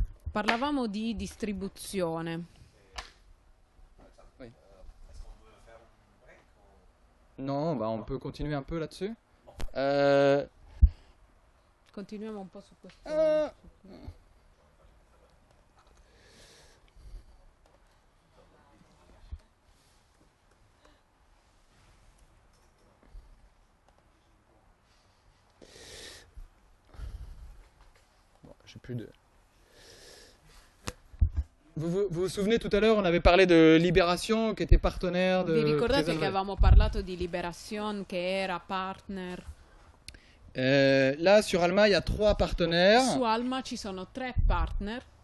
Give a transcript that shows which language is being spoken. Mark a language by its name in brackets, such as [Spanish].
[Italian] Parlavamo di distribuzione. [French] Oui. Non, on peut continuer un peu là-dessus. [Italian] Continuiamo un po' su questo. [French] Bon, j'ai plus de. Vous vous souvenez tout à l'heure, on avait parlé de Libération qui était partenaire de. [Italian] Vi ricordate che avevamo parlato di Libération che era partner. [French] Là sur Alma, il y a trois partenaires. [Italian] Su Alma ci sono tre partner.